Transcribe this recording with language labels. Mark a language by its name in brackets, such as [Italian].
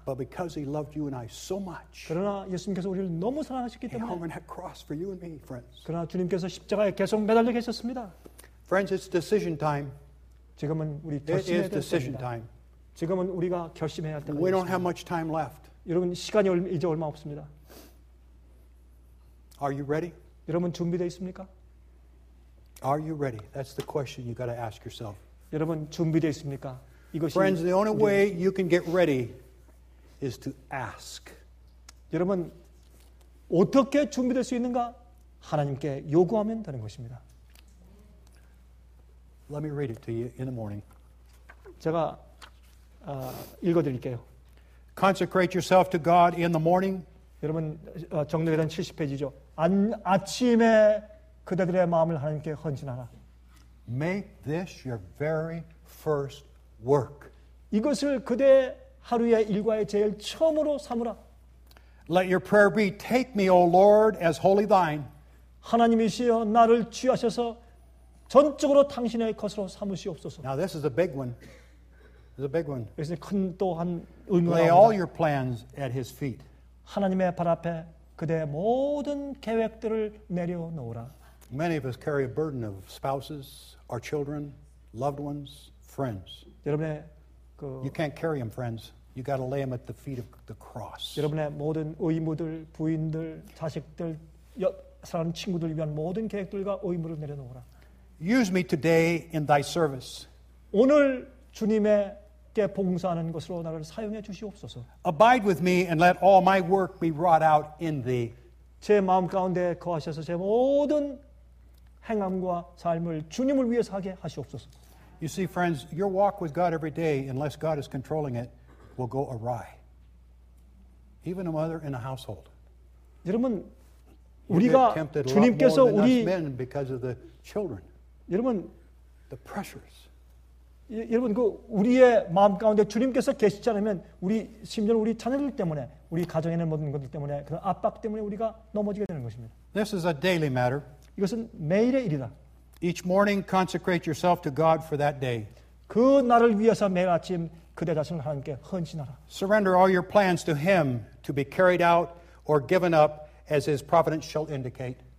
[English] But because he loved you and I so much. [Korean] 그러나 예수님께서 우리를 너무 사랑하셨기 때문에. [English] He hung on that cross for you and me, friends. [Korean] 그러나 주님께서 십자가에 계속 매달려 계셨습니다. [English] Friends, it's decision time. [Korean] 지금은 우리 결심해야 될 때입니다. 지금은 우리가 결심해야 할 때입니다. [English] We don't have much time left. [Korean] 여러분 시간이 이제 얼마 없습니다. [English] Are you ready? [Korean] 여러분 준비되어 있습니까? [English] Are you ready? That's the question you got to ask yourself. [Korean] 여러분 준비되어 있습니까? [English] Friends, the only way you can get ready is to ask. [Korean] 여러분 어떻게 준비될 수 있는가? 하나님께 요구하면 되는 것입니다. [English] Let me read it to you in the morning. [Korean] 제가 읽어 드릴게요. [English] Consecrate yourself to God in the morning. [Korean] 여러분 정례계단 70페이지죠. 아침에 그대들의 마음을 하나님께 헌신하라. [English] Make this your very first work. [Korean] 이것을 그대 하루의 일과의 제일 처음으로 삼으라. [English] Let your prayer be, take me, O Lord, as holy thine. [Korean] 하나님이시여 나를 취하셔서 전적으로 당신의 것으로 삼으시옵소서. [English] Now this is a big one. This is a big one. [Korean] 이것은 큰 또 한 의무라. [English] Lay all your plans at his feet. [Korean] 하나님의 발 앞에 그대의 모든 계획들을 내려놓으라. [English] Many of us carry a burden of spouses, our children, loved ones, friends. [Korean] 여러분의 [English] You can't carry them, friends. You got to lay them at the feet of the cross. [Korean] 여러분의 모든 의무들, 부인들, 자식들, 사랑하는 친구들 위한 모든 계획들과 의무를 내려놓으라. [English] Use me today in thy service. [Korean] 오늘 주님께 봉사하는 것으로 나를 사용해 주시옵소서. [English] Abide with me and let all my work be wrought out in thee. [Korean] 제 마음 가운데 거하셔서 제 모든 행함과 삶을 주님을 위해서 하게 하시옵소서. [English] You see, friends, your walk with God every day, unless God is controlling it, will go awry. Even a mother in a household. [Korean] 여러분, 우리가 주님께서 우리 [English] men because of the children. [Korean] 여러분, [English] the pressures. [Korean] 여러분, 그 우리의 마음 가운데 주님께서 계시지 않으면 우리 심지어 우리 자녀들 때문에, 우리 가정에 있는 모든 것들 때문에 그 압박 때문에 우리가 넘어지게 되는 것입니다. [English] This is a daily matter. [Korean] 이것은 매일의 일이다. [English] Each morning, consecrate yourself to God for that day. [Korean] 그 날을 위해서 매일 아침 그대 자신을 하나님께 헌신하라. [English] Surrender all your plans to Him to be carried out or given up as His providence shall indicate.